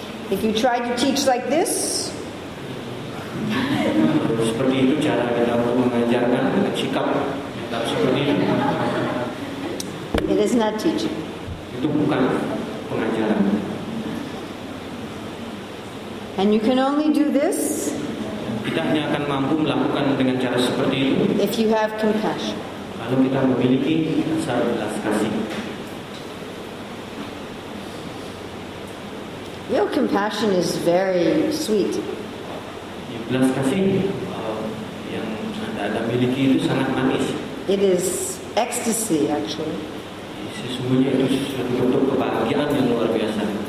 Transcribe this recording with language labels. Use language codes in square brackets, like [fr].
[en] If you try to teach like this, [id] seperti itu cara kita untuk mengajarkan dengan sikap seperti itu. [en] It is not teaching. [id] Itu bukan pengajaran. [en] And you can only do this. [id] Kita hanya akan mampu melakukan dengan cara seperti itu. [en] If you have compassion. [id] Kalau kita memiliki rasa belas kasih. [en] Your compassion is very sweet. [id] Belas kasih yang Anda miliki itu sangat manis. [en] It is ecstasy, actually. [id] Sesungguhnya itu sesuatu bentuk kebahagiaan yang luar biasa.